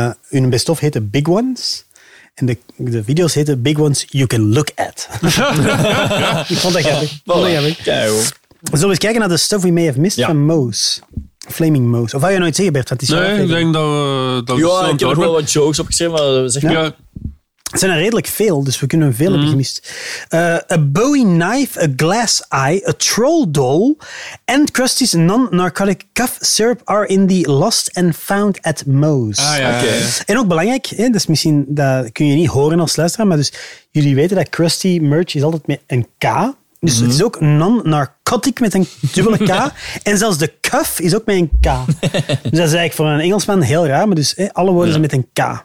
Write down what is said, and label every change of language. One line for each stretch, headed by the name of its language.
Dutch: Hun best of heette Big Ones. En de video's heette Big Ones You Can Look At. Ik vond dat grappig. Voilà. Zullen we eens kijken naar de Stuff We May Have Missed van Moes. Flaming Moes. Of wou je nooit zeggen, Bert? Dat is nee, ik denk dat we... Dat ja, ik heb er wel wat jokes opgeschreven, maar zeg maar... Het zijn er redelijk veel, dus we kunnen veel hebben gemist.
English: A Bowie knife, a glass eye, a troll doll and Krusty's non-narcotic cough syrup are in the lost and found at Moe's.
Dutch: Ah, ja, okay. En ook belangrijk, hè, dat is misschien dat kun je niet horen als luisteraar, maar dus jullie weten dat Krusty merch is altijd met een K. Dus het is ook non-narcotic met een dubbele K. En zelfs de cuff is ook met een K. Dus dat is eigenlijk voor een Engelsman heel raar, maar dus hè, alle woorden zijn met een K.